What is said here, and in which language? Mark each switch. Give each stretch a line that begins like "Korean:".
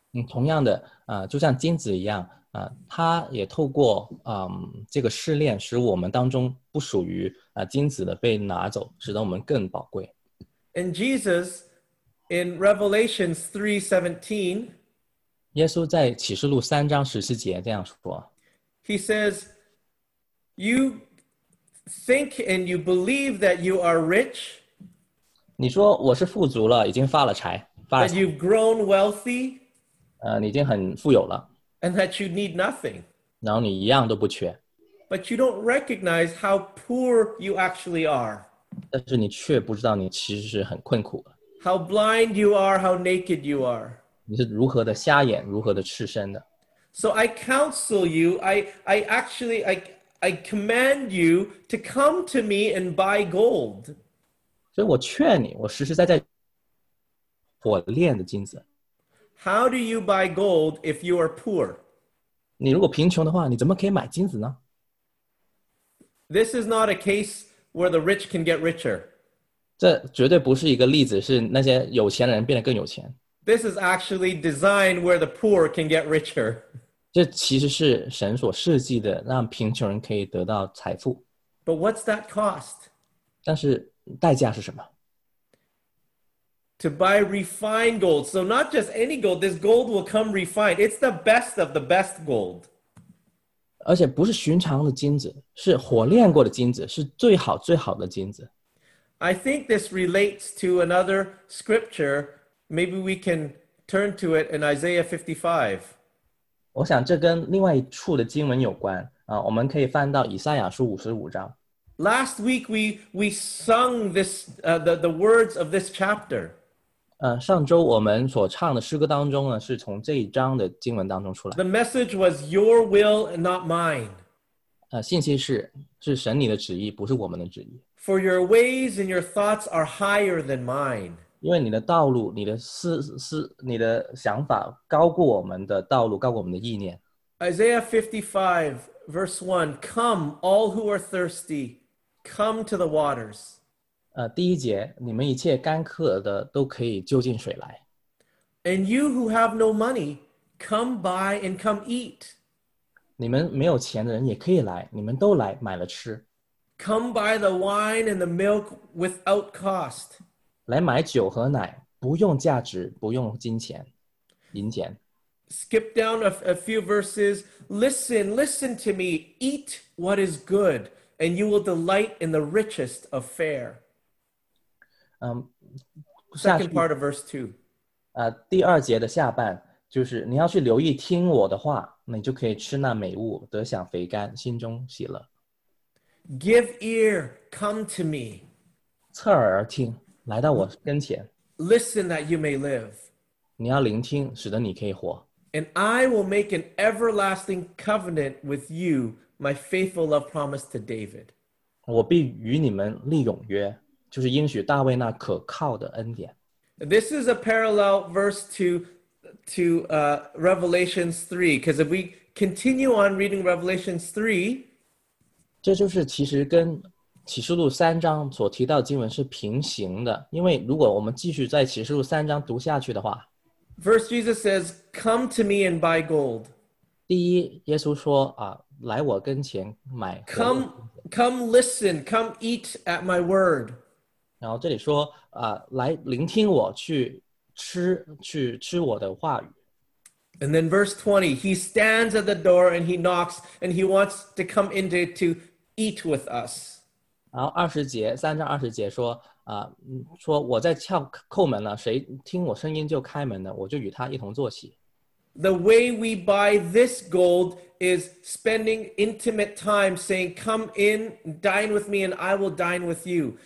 Chinese: 同样的，就像金子一样，它也透过这个试炼，使我们当中不属于金子的被拿走，使得我们更宝贵。
English: And Jesus, in Revelation 3:17,
Chinese: 耶稣在启示录三章十四节这样说。
English: He says, you think and you believe that you are rich.
Chinese: 你说我是富足了，已经发了财。
English: That you've grown wealthy.
Chinese: 你已经很富有了。
English: And that you need nothing.
Chinese: 然后你一样都不缺。
English: But you don't recognize how poor you actually are.
Chinese: 但是你却不知道你其实是很困苦。
English: How blind you are, how naked you are.
Chinese: 你是如何的瞎眼，如何的赤身的。
English: So I counsel you, I command you to come to me and buy gold.
Chinese: 所以我劝你，我实实在在火炼的金子。
English: How do you buy gold if you are poor?
Chinese: 你如果贫穷的话，你怎么可以买金子呢？
English: This is not a case where the rich can get richer.
Chinese: 这绝对不是一个例子，是那些有钱的人变得更有钱。
English: This is actually designed where the poor can get richer.
Chinese: 这其实是神所设计的，让贫穷人可以得到财富。
English: But what's that cost?
Chinese: 但是代价是什么？
English: To buy refined gold. So not just any gold, this gold will come refined. It's the best of the best gold.
Chinese: 而且不是寻常的金子，是火炼过的金子，是最好最好的金子。
English: I think this relates to another scripture. Maybe we can turn to it in Isaiah 55.
Chinese: 我想这跟另外一处的经文有关，我们可以翻到以赛亚书55章。
English: Last week we sung this, the words of this chapter.
Chinese: 上周我们所唱的诗歌当中呢，是从这一章的经文当中出来。
English: The message was your will and not mine.
Chinese: 信息是神你的旨意，不是我们的旨意。
English: For your ways and your thoughts are higher than mine.
Chinese: 因为你的道路，你的思，你的想法高过我们的道路，高过我们的意念。
English: Isaiah 55 verse 1, come all who are thirsty, come to the waters.
Chinese: 第一节，你们一切干渴的都可以就近水来。
English: And you who have no money, come buy and come eat.
Chinese: 你们没有钱的人也可以来，你们都来买了吃。
English: Come buy the wine and the milk without cost.
Chinese: 来买酒和奶，不用价值，不用金钱，银钱。
English: Skip down a few verses. Listen, listen to me. Eat what is good, and you will delight in the richest of fare. Second part of verse 2.
Chinese: 第二节的下半，就是你要去留意听我的话，你就可以吃那美物，得享肥甘，心中喜乐。
English: Give ear, come to me.
Chinese: 侧耳而听，来到我跟前。
English: Listen that you may live.
Chinese: 你要聆听，使得你可以活。
English: And I will make an everlasting covenant with you, my faithful love promise to David.
Chinese: 我必与你们立永约，就是应许大卫那可靠的恩典。
English: This is a parallel verse to Revelation 3, because if we continue on reading Revelation 3,
Chinese: 这就是其实跟启示录三章所提到的经文是平行的，因为如果我们继续在启示录三章读下去的话
English: ，First Jesus says, "Come to me and buy gold."
Chinese: 第一，耶稣说来我跟前买。
English: Come, Come listen, come eat at my word.
Chinese: 然后这里说，来聆听我，去吃我的话语。
English: And then verse 20, he stands at the door and he knocks and he wants to come in to eat with us.
Chinese: 然后三章二十节说，说我在敲叩门了，谁听我声音就开门了，我就与他一同坐席。
English: The way we buy this gold is spending intimate time saying, come in, dine with me, and I will dine with you.